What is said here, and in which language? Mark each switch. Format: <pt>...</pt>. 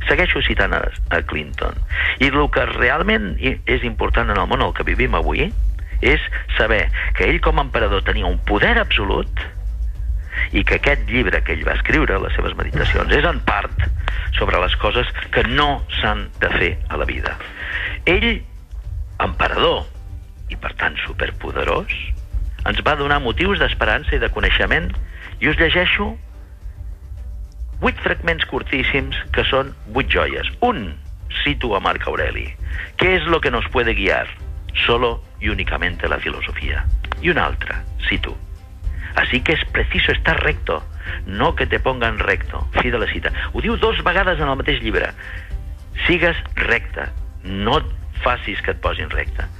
<ca>Segueixo citant a Clinton. I el que realment és important en el món en el que vivim avui és saber que ell com a emperador tenia un poder absolut i que aquest llibre que ell va escriure, les seves meditacions, és en part sobre les coses que no s'han de fer a la vida. Ell, emperador i per tant superpoderós, ens va donar motius d'esperança i de coneixement, i us llegeixo 8 fragments curtíssims que són 8 joies.</ca> <es>Un, cito a Marc Aureli: ¿qué es lo que nos puede guiar? Solo y únicamente la filosofía. Y</es> <ca>un altre,</ca> <es>cito: así que es preciso estar recto, no que te pongan recto.</es> <ca>Fi de la cita. Ho diu 2 vegades en el mateix llibre: sigues recte, no facis que et posin recte.</ca>